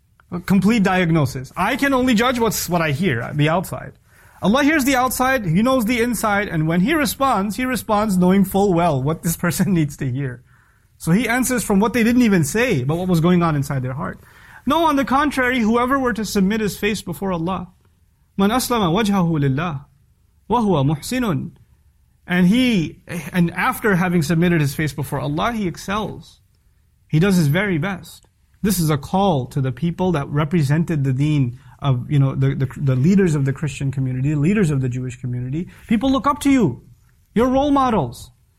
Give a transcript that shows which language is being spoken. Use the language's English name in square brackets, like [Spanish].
[English] A complete diagnosis. I can only judge what I hear, the outside. Allah hears the outside, He knows the inside, and when He responds knowing full well what this person needs to hear. So He answers from what they didn't even say, but what was going on inside their heart. No, on the contrary, whoever were to submit his face before Allah, [Arabic] من أسلم وجهه لله وهو محسن. [English] And after having submitted his face before Allah, he excels. He does his very best. This is a call to the people that represented the deen of, you know, the leaders of the Christian community, the leaders of the Jewish community. People look up to you. You're role models.